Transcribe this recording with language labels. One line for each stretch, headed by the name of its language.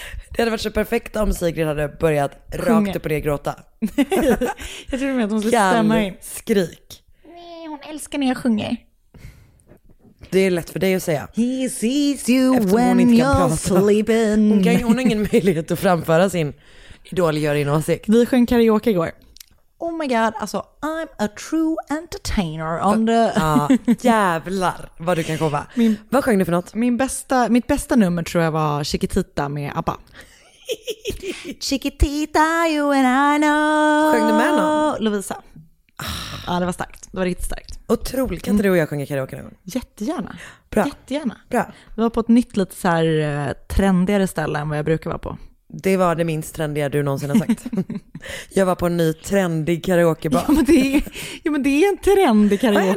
Swedish: Det hade varit så perfekt om Sigrid hade börjat rakt upp på det gråta. Jag tror att hon skulle stämma in. Skrik. Nej, hon älskar när jag sjunger. Det är lätt för dig att säga.
English: He sees you when you're sleeping.
Swedish: Hon har ingen möjlighet att framföra sin idolgörin åsikt. Vi sjöng karaoke igår.
English: Oh my god,
Swedish: alltså
English: I'm a true entertainer on the...
Swedish: Ah, jävlar vad du kan komma. Vad sjöng du för något? Mitt bästa nummer tror jag var Chiquitita med ABBA.
English: Chiquitita, you and I know.
Swedish: Sjöng du med någon? Lovisa. Ja, det var starkt. Det var riktigt starkt. Otroligt. Kan inte du och jag sjunga karaoke någon gång? Jättegärna. Bra. Jättegärna. Bra. Vi var på ett nytt lite så här trendigare ställe än vad jag brukar vara på. Det var det minst trendiga du någonsin har sagt. Jag var på en ny trendig karaokebar. Ja, men det är en trendig karaokebar.